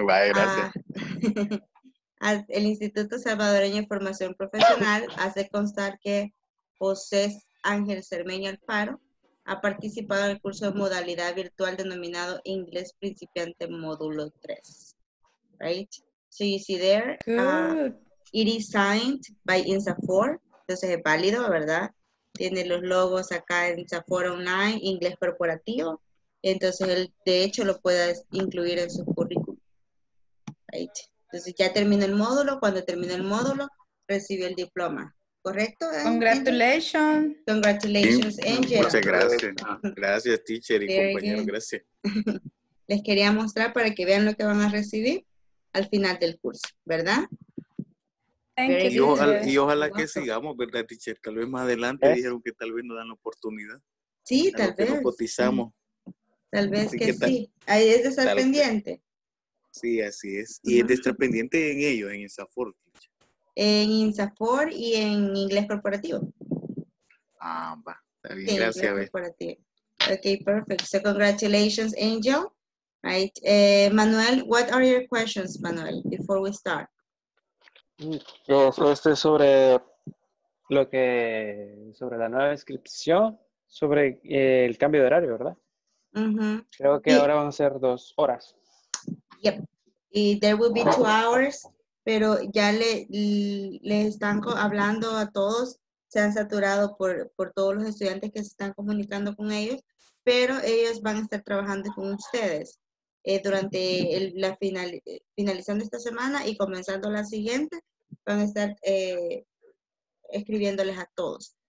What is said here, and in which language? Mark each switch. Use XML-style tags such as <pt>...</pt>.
<en>Bye,</en> <es>gracias. El Instituto Salvadoreño de Formación Profesional hace constar que José Ángel Cermeño Alfaro ha participado en el curso de modalidad virtual denominado Inglés Principiante Módulo 3.</es> <en>Right? So you see there, it is signed by INSAFOR.</en> <es>Entonces es válido, ¿verdad? Tiene los logos acá en INSAFOR Online, Inglés Corporativo. Entonces él, de hecho, lo puede incluir en su currículum. Right? Entonces ya termina el módulo. Cuando termina el módulo, recibe el diploma. ¿Correcto?</es> <en>Congratulations. Congratulations, Angel.</en> <es>Muchas gracias. Gracias, teacher y compañero. Gracias. Les quería mostrar para que vean lo que van a recibir al final del curso, ¿verdad?</es> <en>Thank you.</en> <es>Y ojalá que sigamos, ¿verdad, teacher? Tal vez más adelante dijeron que tal vez nos dan la oportunidad. Sí, tal vez. Que nos cotizamos. Tal vez así que sí. Ahí es de estar pendiente. Sí, así es. Y es de estar pendiente en ello, en INSAFOR. En INSAFOR y en Inglés Corporativo. Ah, va. Está bien, gracias.</es> <en>Ok, perfect. So, congratulations, Angel. Right. Manuel, what are your questions, Manuel, before we start?</en> <es>Esto es sobre lo que, sobre la nueva inscripción, sobre el cambio de horario, ¿verdad? Mm-hmm. Creo que ahora van a ser 2 horas.</es> <en>Yep.</en> <es>Y</es> <en>there will be 2 hours,</en> <es>pero ya le están hablando a todos, se han saturado por todos los estudiantes que se están comunicando con ellos, pero ellos van a estar trabajando con ustedes durante finalizando esta semana y comenzando la siguiente, van a estar escribiéndoles a todos.</es>